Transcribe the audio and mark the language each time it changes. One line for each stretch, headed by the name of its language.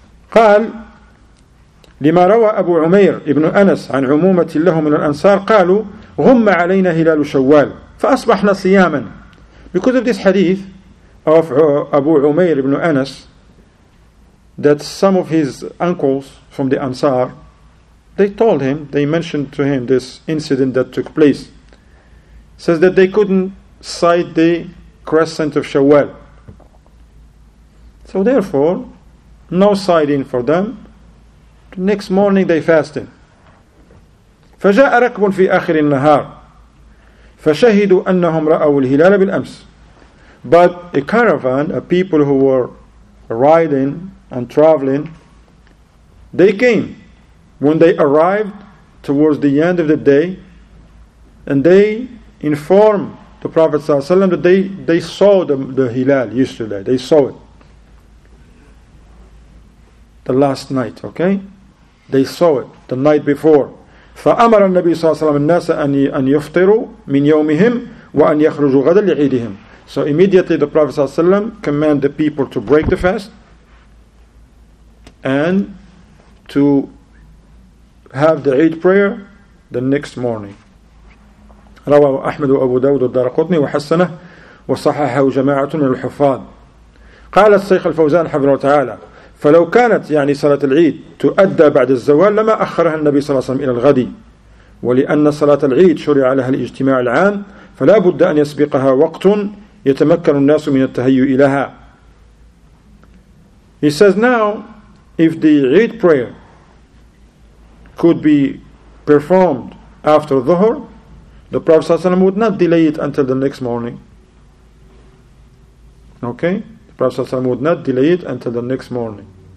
Arabic: قال لما روى أبو عمير ابن أنس عن عمومة له من الأنصار قالوا غم علينا هلال شوال فأصبحنا صياما.
English: Because of this hadith of Abu Umair ibn Anas that some of his uncles from the Ansar, they told him, they mentioned to him this incident that took place. Says that they couldn't sight the crescent of Shawwal. So therefore, no sighting for them. The next morning they fasted.
Arabic: فجاء ركب في آخر النهار فشهدوا أنهم رأوا الهلال بالأمس.
English: But a caravan, a people who were riding and traveling, they came. When they arrived towards the end of the day, and they informed the Prophet ﷺ that they saw the hilal yesterday. They saw it. The last night, okay? They saw it the night before.
Arabic: فَأَمَرَ النَّبِي صَلَّى اللَّهُ عَلَيْهِ وَسَلَّمَ النَّاسَ أَنْ يُفْطِرُوا مِنْ يَوْمِهِمْ وَأَنْ يَخْرُجُوا غَدًا لِعِيدِهِمْ.
English: So immediately the Prophet ﷺ commanded the people to break the fast and to have the Eid prayer the next morning.
Arabic: رواه أحمد وأبو داود والدارقطني وحسنه وصححه جماعة من الحفاظ. قال الشيخ الفوزان حفظه الله تعالى فلو كانت يعني صلاة العيد تؤدى بعد الزوال لما أخرها النبي صلى الله عليه وسلم إلى الغد ولأن صلاة العيد شرع لها الاجتماع العام فلا بد أن يسبقها وقت يتمكن الناس من التهيؤ لها.
English: He says now if the Eid prayer could be performed after Dhuhr, the Prophet صلى الله عليه وسلم would not delay it until the next morning. Okay? Prophet صلى الله عليه وسلم would not delay it until the next morning.